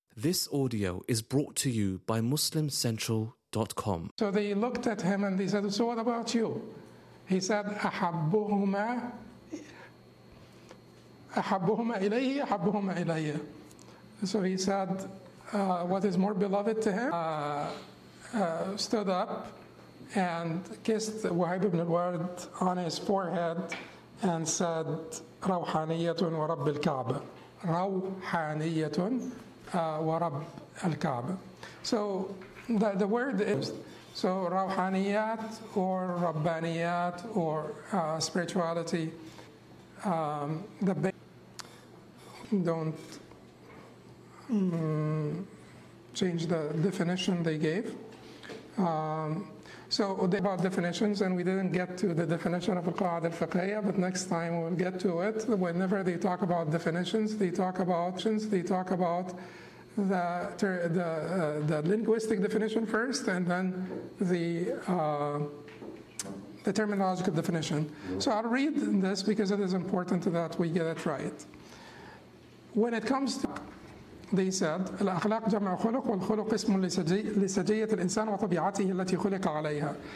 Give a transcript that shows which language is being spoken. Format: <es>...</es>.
<en>This audio is brought to you by MuslimCentral.com. So they looked at him and they said, "So what about you?" He said,</en> <ar>"أحبهما أحبهما إليه أحبهما إليه."</ar> <en>So he said, "What is more beloved to him?" Stood up and kissed Wahib ibn al-Ward on his forehead and said,</en> <ar>"روحانيةٌ ورب الكعبة." روحانيةٌ ورب الكعبة.</ar> <en>So the word is, so روحانيات or ربانيات or spirituality. Change the definition they gave. So they brought definitions, and we didn't get to the definition of القواعد الفقهية, but next time we'll get to it. Whenever they talk about definitions, they talk about options, they talk about the linguistic definition first, and then the terminological definition. So I'll read this because it is important that we get it right. When it comes to, they said,</en> <ar>الأخلاق جمع خلق والخلق اسم لسجية الإنسان وطبيعته التي خلق عليها.</ar>